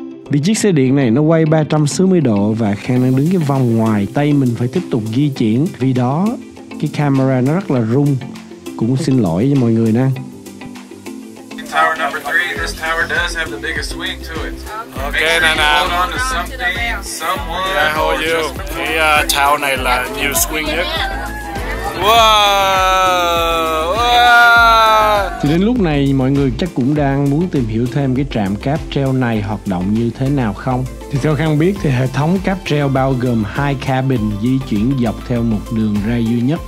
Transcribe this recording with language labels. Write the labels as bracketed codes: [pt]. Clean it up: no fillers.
[vi] Vì chiếc xe điện này nó quay 360 độ và Khang đang đứng cái vòng ngoài, tay mình phải tiếp tục di chuyển. Vì đó, cái camera nó rất là rung. Cũng xin lỗi với mọi người nè. [en] Tower number 3, this tower does have the biggest swing to it. Okay, make sure [vi] nè, [en] you hold on to something, someone. Yeah, I hold you. [vi] Tower này là [en] new swing [vi] nhất. Whoa! Thì đến lúc này mọi người chắc cũng đang muốn tìm hiểu thêm cái trạm cáp treo này hoạt động như thế nào không? Thì theo Khang biết thì hệ thống cáp treo bao gồm hai cabin di chuyển dọc theo một đường ray duy nhất.